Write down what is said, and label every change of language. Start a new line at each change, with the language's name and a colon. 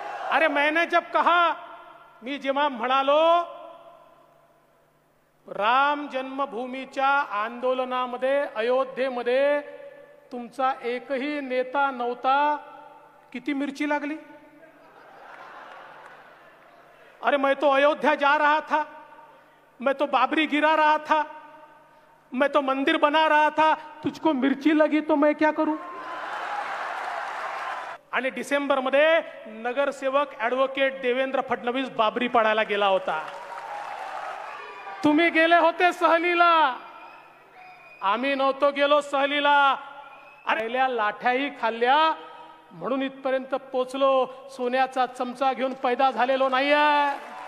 Hindi: अरे मैंने जब कहा
Marathi: मी जिमा म्हणालो, राम जन्मभूमीच्या आंदोलनामध्ये अयोध्येमध्ये तुमचा एकही नेता नव्हता, किती मिरची लागली?
Hindi: अरे मैं तो अयोध्या जा रहा था, मैं तो बाबरी गिरा रहा था, मैं तो मंदिर बना रहा था, तुझको मिरची लगी तो मैं क्या करूं?
Marathi: आणि डिसेंबरमध्ये नगरसेवक ॲडव्होकेट देवेंद्र फडणवीस बाबरी पडायला गेला होता, तुम्ही गेले होते सहलीला, आम्ही नव्हतो गेलो सहलीला। अरेल्या लाठ्याही खाल्ल्या म्हणून इथपर्यंत पोचलो, सोन्याचा चमचा घेऊन पैदा झालेलो नाहीये।